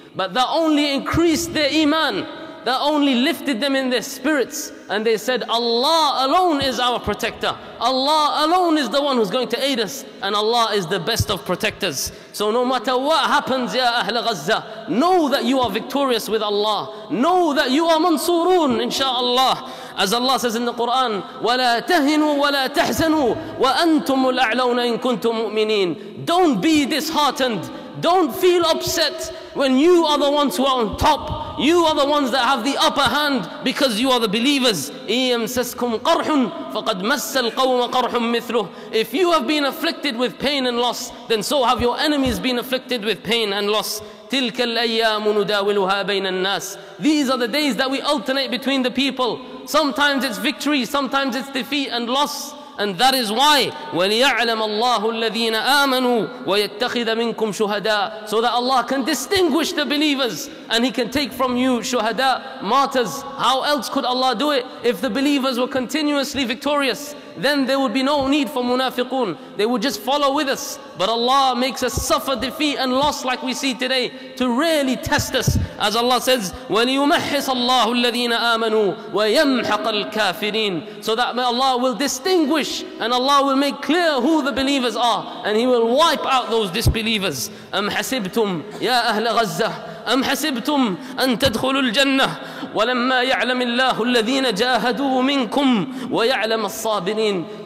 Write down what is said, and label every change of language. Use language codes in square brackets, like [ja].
[en] But that only increased their iman, that only lifted them in their spirits, and they said, Allah alone is our protector. Allah alone is the one who's going to aid us, and Allah is the best of protectors. So no matter what happens, Ya Ahl Gaza, know that you are victorious with Allah. Know that you are mansurun, inshaAllah. As Allah says in the Quran, [ar] وَلَا تَهِنُوا وَلَا تَحْزَنُوا وَأَنْتُمُ الْأَعْلَوْنَ إِن كُنْتُم مُؤْمِنِينَ. [en] Don't be disheartened. Don't feel upset when you are the ones who are on top. You are the ones that have the upper hand because you are the believers. [ar] إِيَمْسَسْكُمْ قَرْحٌ فَقَدْ مَسَّ الْقَوْمَ قَرْحٌ مِثْلُهُ. [en] If you have been afflicted with pain and loss, then so have your enemies been afflicted with pain and loss. [ar] تِلْكَ الْأَيَّامُ نُدَاوِلُهَا بَيْنَ النَّاسِ. [en] These are the days that we alternate between the people. Sometimes it's victory, sometimes it's defeat and loss. And that is why, [ar] وَلِيَعْلَمَ اللَّهُ الَّذِينَ آمَنُوا وَيَتَّخِذَ مِنْكُمْ شُهَدَاءَ. [en] So that Allah can distinguish the believers and He can take from you shuhada, martyrs. How else could Allah do it? If the believers were continuously victorious, then there would be no need for munafiqun. They would just follow with us. But Allah makes us suffer defeat and loss like we see today to really test us. As Allah says, [ar] وَلِيُمَحِّصَ اللَّهُ الَّذِينَ آمَنُوا وَيَمْحَقَ الْكَافِرِينَ. [en] So that Allah will distinguish and Allah will make clear who the believers are, and He will wipe out those disbelievers. [ar] أَمْ حَسِبْتُمْ يَا أَهْلَ غَزَّةِ أَمْ حَسِبْتُمْ أَن تَدْخُلُوا الْجَنَّةِ وَلَمَّا يَعْلَمِ اللَّهُ الَّذِينَ جَاهَدُوا مِنْكُمْ وَيَعْلَمَ الصَّابِرِينَ.